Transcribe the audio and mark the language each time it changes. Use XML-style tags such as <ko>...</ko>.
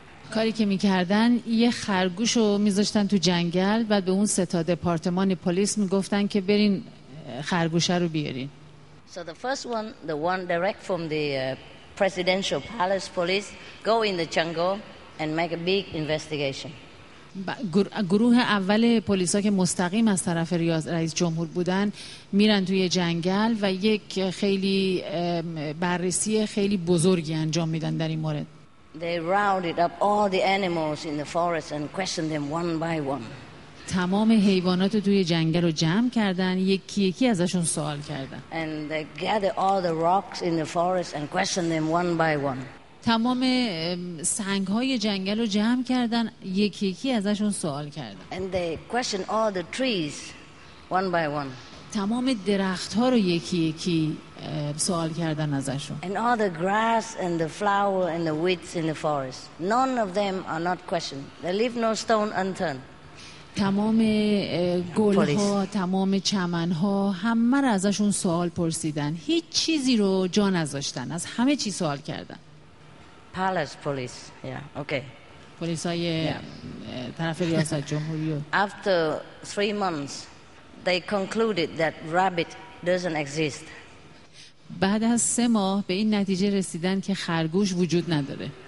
<fa>کاری که می‌کردن یه خرگوش رو می‌ذاشتن تو جنگل بعد به اون ستا دپارتمان پلیس می‌گفتن که برین خرگوشه رو بیارین.</fa> <en>So the first one, the one direct from the presidential palace police, go in the jungle and make a big investigation.</en> <fa>گروه اول پلیس‌ها که مستقیم از طرف رئیس جمهور بودن میرن توی جنگل و یک خیلی بررسی خیلی بزرگی انجام میدن در این مورد.</fa> <en>They rounded up all the animals in the forest and questioned them one by one.</en> <fa>تمام حیوانات توی جنگل رو جمع کردن، یکی یکی ازشون سوال کردن.</fa> <en>And they gathered all the rocks in the forest and questioned them one by one.</en> <fa>تمام سنگ‌های جنگل رو جمع کردن، یکی یکی ازشون سوال کردن.</fa> <en>And they questioned all the trees one by one.</en> <fa>تمام درخت‌ها رو یکی یکی سوال کردن ازشون.</fa> <en>And all the grass and the flower and the weeds in the forest, none of them are not questioned. They leave no stone unturned.</en> <fa>تمام گل‌ها، تمام چمن‌ها، همه رو ازشون سوال پرسیدن. هیچ چیزی رو جا نذاشتن. از همه چی سوال کردن.</fa> <en>Palace police. Yeah. Okay.</en> <fa>پلیس‌های طرف ریاست جمهوری.</fa> <en>After 3 months they concluded that rabbit doesn't exist.</en> <fa>بعد از 3 ماه به این نتیجه رسیدن که خرگوش وجود نداره.</fa>